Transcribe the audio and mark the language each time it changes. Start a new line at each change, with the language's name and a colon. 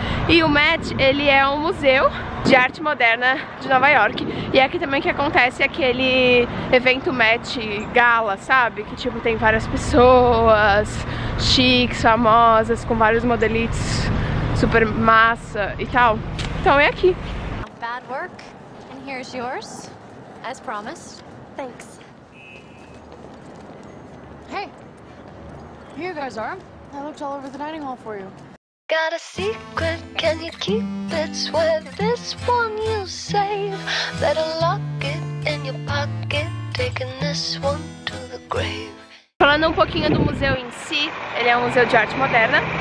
Portuguese: E o Met, ele é um museu de arte moderna de Nova York. E é aqui também que acontece aquele evento Met Gala, sabe? Que, tipo, tem várias pessoas chiques, famosas, com vários modelitos super massa e tal. Então é aqui.
English: Bad work, and here's yours, as promised. Thanks. Hey, here you guys are. I looked all over the dining hall for you. Got a secret, can you keep it? Swear this one you'll save. Better lock it in your pocket, taking this one to the grave.
Portuguese: Falando um pouquinho do museu em si, ele é um museu de arte moderna.